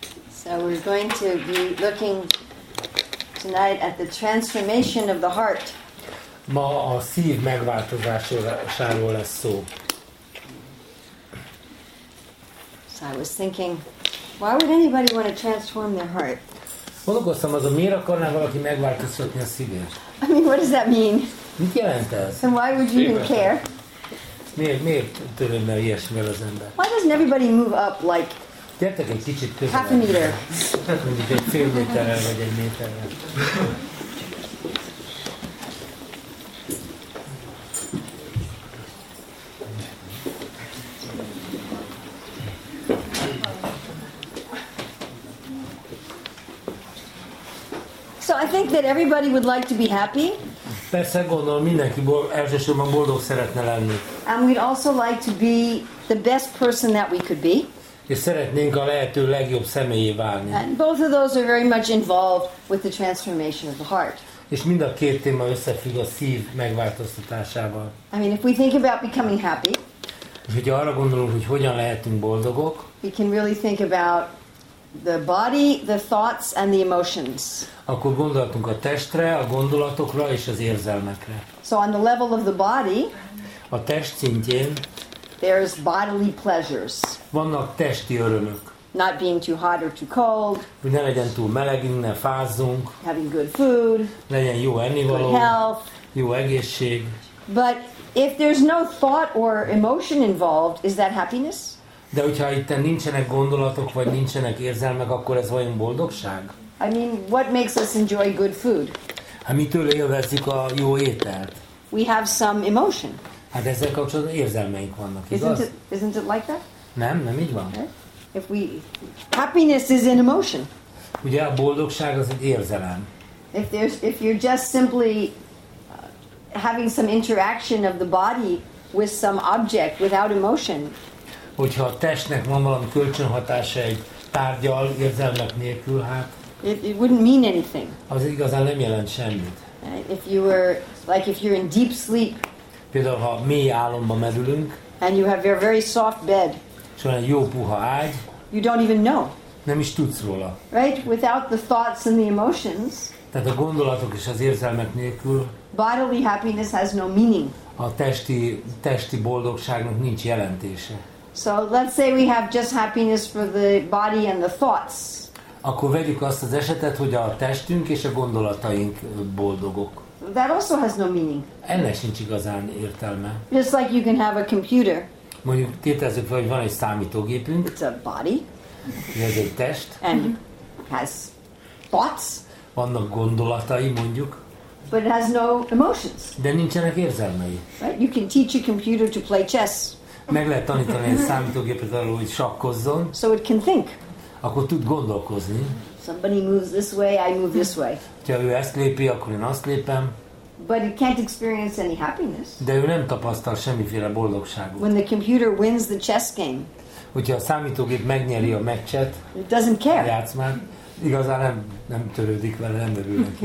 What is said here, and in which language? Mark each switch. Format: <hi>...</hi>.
<en>So we're going to be looking tonight at the transformation of the heart.</en> <hu>Ma a szív megváltozásáról lesz szó.</hu> <en>So I was thinking, why would anybody want to transform their heart?</en> <hu>Gondolkoztam azon, miért akarná valaki megváltoztatni a szívét?</hu> <en>I mean, what does that mean?</en> <hu>Mit jelent ez?</hu> <en>And why would you even care?</en> <hu>Miért törődne ilyesmivel az ember?</hu> <en>Why doesn't everybody move up like</en> <hu>gyertek egy kicsit közelebb.</hu> <en>Half a meter.</en> <hu>Mondjuk egy fél méterrel, vagy egy méterrel.</hu> <en>So I think that everybody would like to be happy.</en> <hu>Persze gondolom, mindenki elsősorban boldog szeretne lenni.</hu> <en>And we'd also like to be the best person that we could be.</en> <hu>És szeretnénk a lehető legjobb személyé válni.</hu> <en>And both of those are very much involved with the transformation of the heart.</en> <hu>És mind a két téma összefügg a szív megváltoztatásával.</hu> <en>I mean, if we think about becoming happy,</en> <hu>és hogyha arra gondolunk, hogy hogyan lehetünk boldogok,</hu> <en>we can really think about the body, the thoughts and the emotions.</en> <hu>Akkor gondolhatunk a testre, a gondolatokra és az érzelmekre.</hu> <en>So on the level of the body,</en> <hu>a test szintjén,</hu> <en>there's bodily pleasures.</en> <hu>Vannak testi örömök.</hu> <en>Not being too hot or too cold.</en> <hu>Hogy ne legyen túl melegünk, ne fázzunk.</hu> <en>Having good food.</en> <hu>Legyen jó ennivaló.</hu> <en>Good health.</en> <hu>Jó egészség.</hu> <en>But if there's no thought or emotion involved, is that happiness?</en> <hu>De hogyha itt nincsenek gondolatok vagy nincsenek érzelmek, akkor ez vajon boldogság?</hu> <en>I mean, what makes us enjoy good food?</en> <hu>Hát mitől élvezzük a jó ételt?</hu> <en>We have some emotion.</en> <hu>Hát ezzel kapcsolatban érzelmeink vannak, igaz?</hu> <en>Isn't it like that?</en> <hu>Nem így van.</hu> <en>If we happiness is an emotion.</en> <hu>Ugye a boldogság az egy érzelem.</hu> <en>If you're just simply having some interaction of the body with some object without emotion.</en> <hu>Hogyha a testnek van valami kölcsönhatása egy tárgyal, érzelmek nélkül, hát</hu> <en>it wouldn't mean anything.</en> <hu>Az igazán nem jelent semmit.</hu> <en>If you're in deep sleep.</en> <hu>Például, ha mély álomba merülünk,</hu> <en>and you have your very soft bed.</en> <hu>És olyan jó puha ágy.</hu> <en>You don't even know.</en> <hu>Nem is tudsz róla.</hu> <en>Right? Without the thoughts and the emotions.</en> <hu>Tehát a gondolatok és az érzelmek nélkül.</hu> <en>Bodily happiness has no meaning.</en> <hu>A testi boldogságnak nincs jelentése.</hu> <en>So let's say we have just happiness for the body and the thoughts.</en> <hu>Akkor vegyük azt az esetet, hogy a testünk és a gondolataink boldogok.</hu> <en>That also has no meaning.</en> <hu>Ennek sincs igazán értelme.</hu> <en>Just like you can have a computer.</en> <hu>Mondjuk tételezzük fel, hogy van egy számítógépünk.</hu> <en>It's a body.</en> <hu>Ez egy test.</hu> <en>And has thoughts.</en> <hu>Vannak gondolatai, mondjuk.</hu> <en>But it has no emotions.</en> <hu>De nincsenek érzelmei.</hu> <en>Right? You can teach a computer to play chess.</en> <hu>Meg lehet tanítani egy számítógépet arról, hogy sakkozzon.</hu> <en>So it can think.</en> <hu>Akkor tud gondolkozni.</hu> <en>Somebody moves this way, I move this way.</en> <hu>Ha ő ezt lépi, akkor én azt lépem.</hu> <en>But it can't experience any happiness.</en> <hu>De ő nem tapasztal semmiféle boldogságot.</hu> <en>When the computer wins the chess game.</en> <hu>Hogyha a számítógép megnyeri a meccset.</hu> <en>It doesn't care.</en> <hu>Játszmát, igazán nem törődik vele, nem örül neki.</hu>